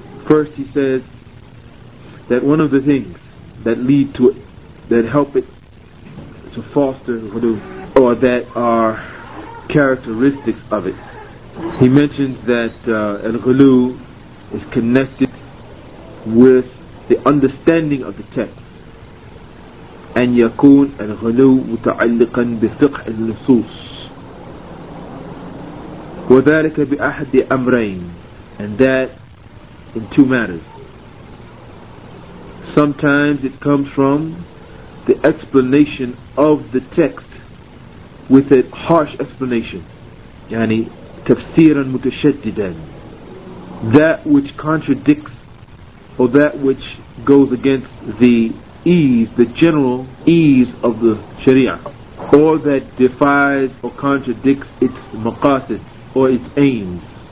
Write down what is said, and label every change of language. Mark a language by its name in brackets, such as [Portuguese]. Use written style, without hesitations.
[English] First, he says that one of the things that lead to it, that help it to foster ghulu, or that are characteristics of it, he mentions that al-ghulu is connected with the understanding of the text. [Arabic] أن يكون الغلو متعلقا بفقه النصوص وذلك بأحد أمرين. [English] And that in two matters. Sometimes it comes from the explanation of the text with a harsh explanation, [Arabic] يعني تفسيرا متشددا, [English] that which contradicts or that which goes against the ease, the general ease of the Sharia, or that defies or contradicts its maqasid or its aims.